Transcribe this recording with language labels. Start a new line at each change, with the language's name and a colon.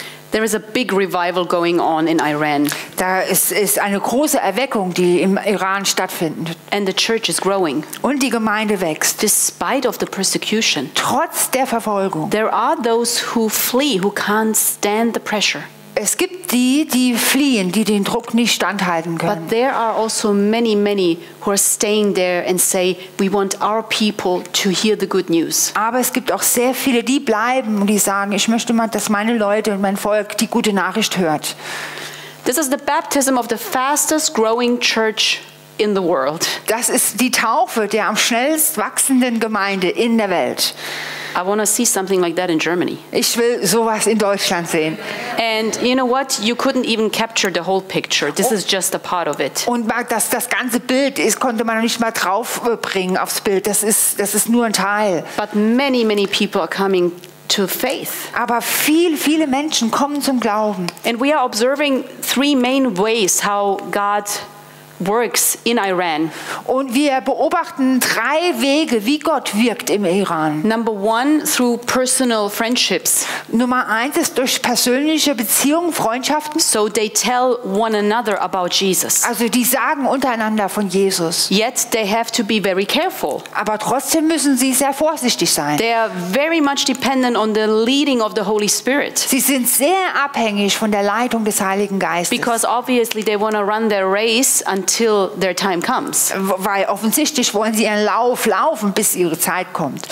English: There is a big revival going on in Iran.
German: Da ist eine große Erweckung, die im Iran stattfindet.
English: And the church is growing.
German: Und die Gemeinde wächst.
English: Despite of the persecution.
German: Trotz der Verfolgung.
English: There are those who flee, who can't stand the pressure.
German: Es gibt die, die fliehen, die den Druck nicht standhalten können.
English: But there are also many, many who are staying there and say, we want our people to hear the good news.
German: Aber es gibt auch sehr viele, die bleiben und die sagen, ich möchte mal, dass meine Leute und mein Volk die gute Nachricht hört.
English: This is the baptism of the fastest growing church in the world.
German: Das ist die Taufe der am schnellst wachsenden Gemeinde in der Welt.
English: I want to see something like that in Germany.
German: Ich will sowas in Deutschland sehen.
English: And you know what? You couldn't even capture the whole picture. This is just a part of it.
German: Und das ganze Bild ist, konnte man nicht mal drauf bringen aufs Bild. Das ist nur ein Teil.
English: But many, many people are coming to faith.
German: Aber viele Menschen kommen zum Glauben.
English: And we are observing three main ways how God works in Iran.
German: Und wir beobachten drei Wege, wie Gott wirkt im Iran.
English: Number one, through personal friendships.
German: Nummer eins ist durch persönliche Beziehungen, Freundschaften.
English: So they tell one another about Jesus.
German: Also die sagen untereinander von Jesus.
English: Yet they have to be very careful.
German: Aber trotzdem müssen sie sehr vorsichtig sein.
English: They are very much dependent on the leading of the Holy Spirit.
German: Sie sind sehr abhängig von der Leitung des Heiligen Geistes.
English: Because obviously they want to run their race until their time comes.
German: Weil offensichtlich wollen sie ihren Lauf laufen, bis ihre Zeit kommt.